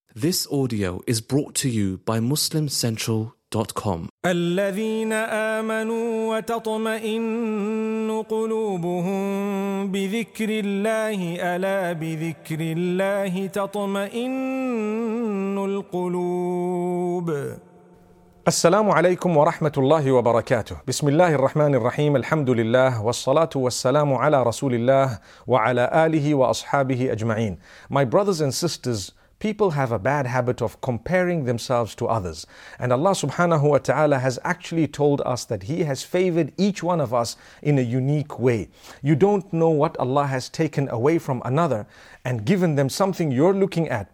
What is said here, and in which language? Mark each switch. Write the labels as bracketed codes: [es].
[en] This audio is brought to you by MuslimCentral.com. [ar] الذين آمنوا وتطمئن قلوبهم بذكر الله ألا بذكر الله تطمئن القلوب. السلام عليكم ورحمة الله وبركاته. بسم الله الرحمن الرحيم. الحمد لله والصلاة والسلام على رسول الله وعلى آله وأصحابه أجمعين. [en] My brothers and sisters, people have a bad habit of comparing themselves to others. And Allah subhanahu wa ta'ala has actually told us that He has favored each one of us in a unique way. You don't know what Allah has taken away from another and given them something you're looking at.